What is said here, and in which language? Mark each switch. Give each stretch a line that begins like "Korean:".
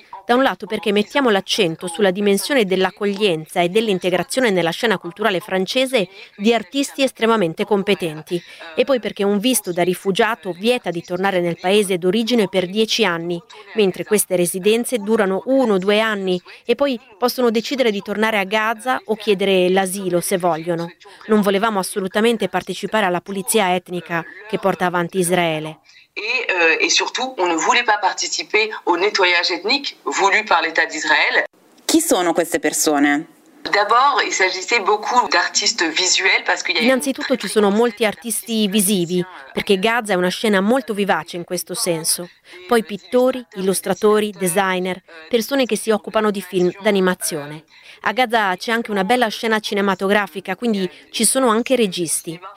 Italian: Da un lato perché mettiamo l'accento sulla dimensione dell'accoglienza e dell'integrazione nella scena culturale francese di artisti estremamente competenti e poi perché un visto da rifugiato vieta di tornare nel paese d'origine per 10 anni, mentre queste residenze durano 1 o 2 anni e poi possono decidere di tornare a Gaza o chiedere l'asilo se vogliono. Non volevamo assolutamente partecipare alla pulizia etnica che porta avanti Israele. E soprattutto
French: on ne voulait pas participer au nettoyage ethnique voulu par l'État d'Israël.
Italian: Chi sono queste persone?
French: D'abord, il s'agissait beaucoup d'artistes visuels parce qu'il y a
Italian: innanzitutto ci sono molti artisti visivi, perché Gaza è una scena molto vivace in questo senso. Poi pittori, illustratori, designer, persone che si occupano di film d'animazione. A Gaza c'è anche una bella scena cinematografica, quindi ci sono anche registi.